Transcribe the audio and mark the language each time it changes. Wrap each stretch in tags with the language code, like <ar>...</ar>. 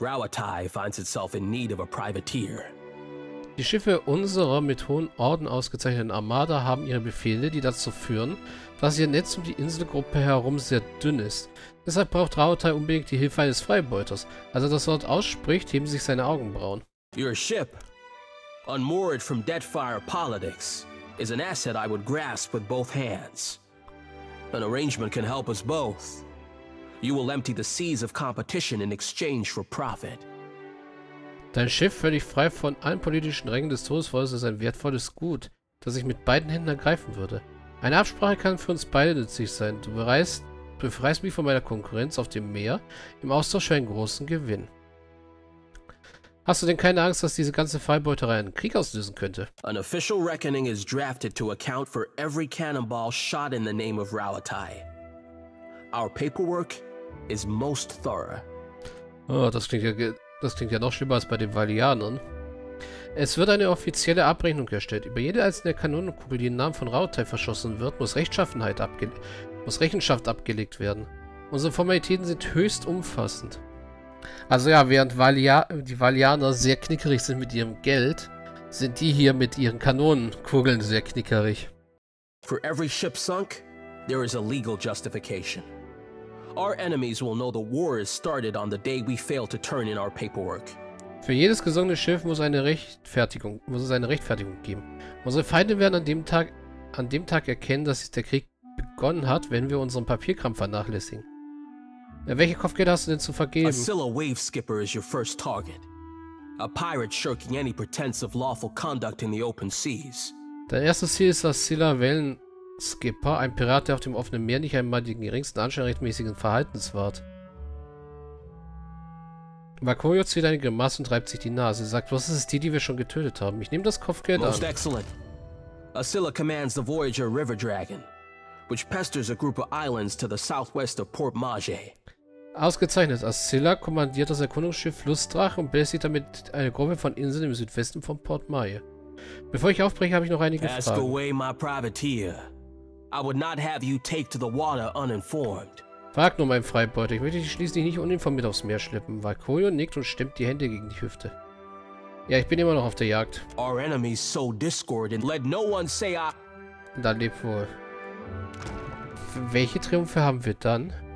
<de>Rauatai findet sich</de> <en>in Need of a Privateer.</en> <de>Die Schiffe unserer mit hohen Orden ausgezeichneten Armada haben ihre Befehle, die dazu führen, dass ihr Netz um die Inselgruppe herum sehr dünn ist. Deshalb braucht Rautai unbedingt die Hilfe eines Freibeuters. Als er das Wort ausspricht, heben sich seine Augenbrauen.</de> <en>Your ship, unmoored from Deadfire Politics, is an asset I would grasp with both hands. An arrangement can help us both. You will empty the seas of competition in exchange for profit.</en> <de>Dein Schiff, völlig frei von allen politischen Rängen des Todesfeuers, ist ein wertvolles Gut, das ich mit beiden Händen ergreifen würde. Eine Absprache kann für uns beide nützlich sein. Du befreist mich von meiner Konkurrenz auf dem Meer, im Austausch für einen großen Gewinn. Hast du denn keine Angst, dass diese ganze Freibeuterei einen Krieg auslösen könnte?</de> <en>An official reckoning is drafted to account for every cannonball shot in the name of Rauatai. Our paperwork is most thorough.</en> <de>Oh, das klingt ja noch schlimmer als bei den Valianern. Es wird eine offizielle Abrechnung erstellt. Über jede einzelne Kanonenkugel, die im Namen von Rautai verschossen wird, muss Rechenschaft abgelegt werden. Unsere Formalitäten sind höchst umfassend. Also ja, während die Valianer sehr knickerig sind mit ihrem Geld, sind die hier mit ihren Kanonenkugeln sehr knickerig.</de> <en>For every ship sunk, there is a legal justification. Our enemies will know the war is started on the day we fail to turn in our paperwork.</en> <de>Für jedes gesunkene Schiff muss es eine Rechtfertigung geben. Unsere Feinde werden an dem Tag erkennen, dass der Krieg begonnen hat, wenn wir unseren Papierkram vernachlässigen. Ja, welche Kopfgeld hast du denn zu vergeben?</de> <en>Asila Wave Skipper is your first target. A pirate shirking any pretense of lawful conduct in the open seas.</en> <de>Dein erstes Ziel ist Asila Wellen. Skipper, ein Pirat, der auf dem offenen Meer nicht einmal den geringsten anscheinrechtmäßigen Verhaltens wahrt. Bakoyo zieht eine Grimasse und reibt sich die Nase. Sagt, was ist es die wir schon getötet haben? Ich nehme das Kopfgeld an.</de> <en>Most excellent. Asila commands the Voyager River Dragon, which pesters a group of islands to the southwest of Port Maje.</en> <de>Ausgezeichnet. Asila kommandiert das Erkundungsschiff Flussdrache und belästigt damit eine Gruppe von Inseln im Südwesten von Port Maje. Bevor ich aufbreche, habe ich noch einige Fragen.</de> <en>Ask away my privateer. I would not have you take to the water uninformed.</en> <de>Frag nur, mein Freibeuter. Ich möchte dich schließlich nicht uninformiert aufs Meer schleppen. Valkyrie nickt und stemmt die Hände gegen die Hüfte. Ja, ich bin immer noch auf der Jagd.</de> <en>Our enemies so discordant. Let no one say I.</en> <de>Dann leb wohl. Welche Triumphe haben wir dann?</de>